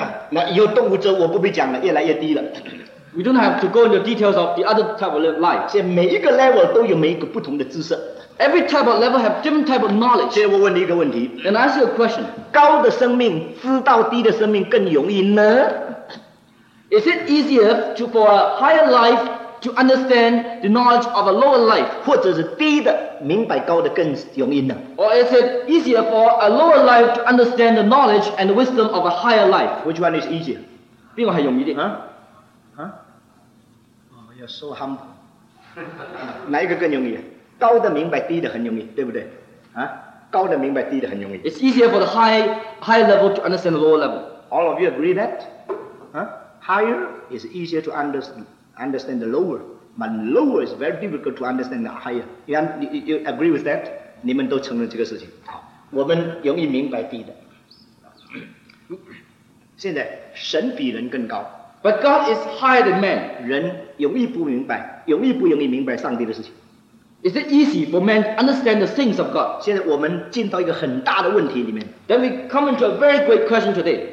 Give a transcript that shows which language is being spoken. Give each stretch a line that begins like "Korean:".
Chinese: 那有动物之后，我不必讲了，越来越低了。
English: We don't have to go into details of the other type of life.
Chinese: 现在每一个 level 都有每一个不同的姿色。
English: Every type of level have different type of knowledge.
Chinese: 现在我问你一个问题。
English: And ask you a question.
Chinese: 高的生命知道低的生命更容易呢？
English: Is it easier for a higher life to understand the knowledge of a lower life?
Chinese: 或者是低的明白高的更容易呢？
English: Or is it easier for a lower life to understand the knowledge and the wisdom of a higher life? Which one is easier?
Chinese: 比我还容易一点。
English: Huh? Huh? Oh, you're so humble.
Chinese: 哪一个更容易？高的明白，低的很容易，对不对？啊，高的明白，低的很容易。
English: It's easier for the high level to understand the lower level. All of you agree that? Huh? Higher is easier to understand the lower, but lower is very difficult to understand the higher. You agree with that?
Chinese: 你们都承认这个事情。好，我们容易明白低的。现在，神比人更高。
English: But God is higher than man.
Chinese: 人容易不明白，容易不容易明白上帝的事情。
English: Is it easy for man to understand the things of God?
Chinese: 现在我们进到一个很大的问题里面。
English: Then we come into a very great question today.